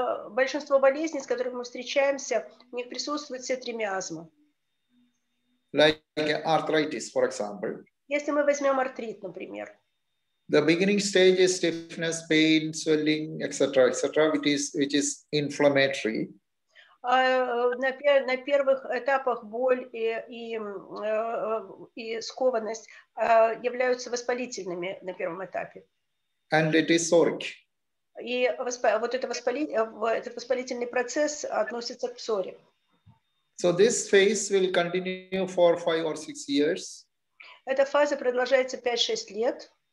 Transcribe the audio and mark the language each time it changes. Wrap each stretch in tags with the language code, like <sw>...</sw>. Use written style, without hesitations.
<ru>Большинство болезней, с которыми мы встречаемся, у них присутствуют все три миазма.</ru> <en>Like arthritis, for example.</en> <ru>Если мы возьмем артрит, например.</ru> <en>The beginning stage is stiffness, pain, swelling, etc., etc., which is inflammatory.</en> <ru>На первых этапах боль и скованность являются воспалительными на первом этапе.</ru> <en>And it is psoric.</en> <ru>И вот этот воспалительный процесс относится к псоре.</ru> <en>So this phase will continue for 5 or 6 years.</en> <ru>Эта фаза продолжается 5-6 лет.</ru>